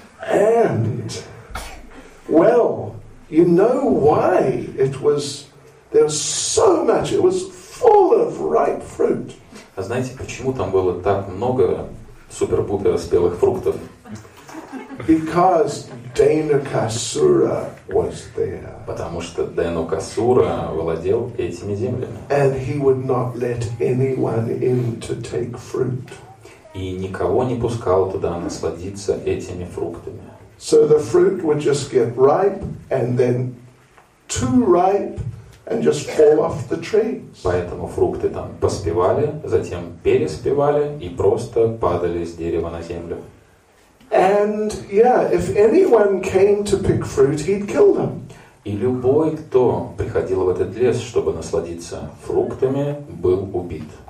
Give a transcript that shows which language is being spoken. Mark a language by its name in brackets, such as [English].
[English] And, well, you know why it was, there's so much, it was full of ripe fruit. [Russian] А знаете, почему там было так много супер-пупер спелых фруктов? [English] Because Deinukasura was there. [Russian] Потому что Деинукасура владел этими землями. [English] And he would not let anyone in to take fruit. [Russian] И никого не пускал туда насладиться этими фруктами. [English] So the fruit would just get ripe and then too ripe and just fall off the trees. [Russian] Поэтому фрукты там поспевали, затем переспевали и просто падали с дерева на землю. [English] And yeah, if anyone came to pick fruit, he'd kill them. [Russian] И любой, кто приходил в этот лес, чтобы насладиться фруктами, был убит.